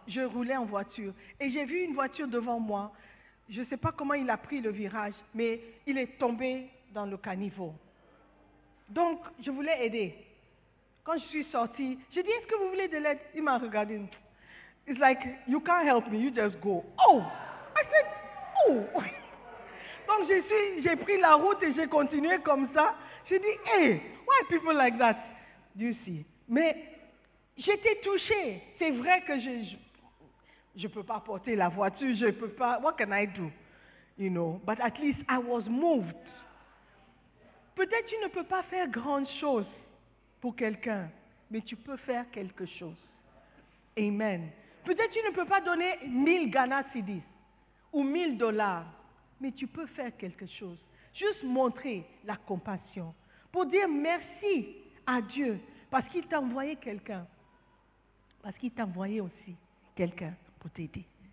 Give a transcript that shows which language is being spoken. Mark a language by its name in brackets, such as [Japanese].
[French] Je roulais en voiture et j'ai vu une voiture devant moi. Je ne sais pas comment il a pris le virage, mais il est tombé dans le caniveau. Donc, je voulais aider. Quand je suis sortie, j'ai dit, est-ce que vous voulez de l'aide? Il m'a regardé. [English] It's like, you can't help me, you just go. Oh! I said, oh! [French] Donc, j'ai pris la route et j'ai continué comme ça. J'ai dit, [English] hey, why are people like that? You see. [French] Mais j'étais touchée. C'est vrai que je ne peux pas porter la voiture, je ne peux pas. [English] What can I do? You know, but at least I was moved. [French] Peut-être tu ne peux pas faire grand chose pour quelqu'un, mais tu peux faire quelque chose. Amen. Peut-être tu ne peux pas donner 1000 Ghana Cedis ou 1000 dollars, mais tu peux faire quelque chose. Juste montrer la compassion pour dire merci à Dieu parce qu'il t'a envoyé quelqu'un, parce qu'il t'a envoyé aussi quelqu'un pour t'aider.